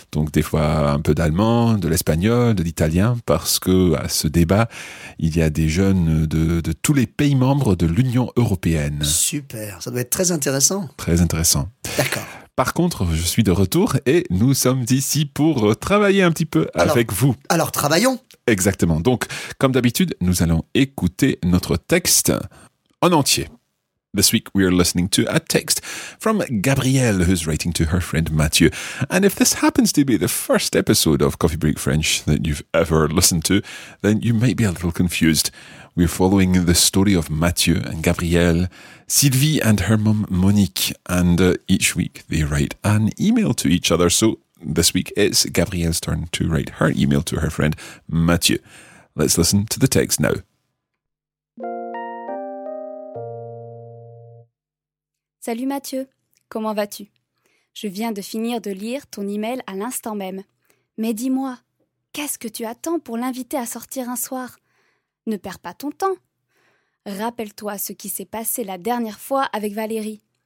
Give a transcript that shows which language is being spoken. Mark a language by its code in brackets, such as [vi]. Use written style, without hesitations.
[fr] Donc, des fois, un peu d'allemand, de l'espagnol, de l'italien, parce que à ce débat, il y a des jeunes de tous les pays membres de l'Union européenne. Super, ça doit être très intéressant. Très intéressant. D'accord. Par contre, je suis de retour et nous sommes ici pour travailler un petit peu avec vous. Alors, travaillons. Exactement. Donc, comme d'habitude, nous allons écouter notre texte en entier. [en] This week, we are listening to a text from Gabrielle, who's writing to her friend Mathieu. And if this happens to be the first episode of Coffee Break French that you've ever listened to, then you might be a little confused. We're following the story of Mathieu and Gabrielle, Sylvie and her mom Monique. And each week, they write an email to each other. So this week, it's Gabrielle's turn to write her email to her friend Mathieu. Let's listen to the text now. [fr] Salut Mathieu, comment vas-tu? Je viens de finir de lire ton email à l'instant même. Mais dis-moi, qu'est-ce que tu attends pour l'inviter à sortir un soir? Ne perds pas ton temps. Rappelle-toi ce qui s'est passé la dernière fois avec Valérie.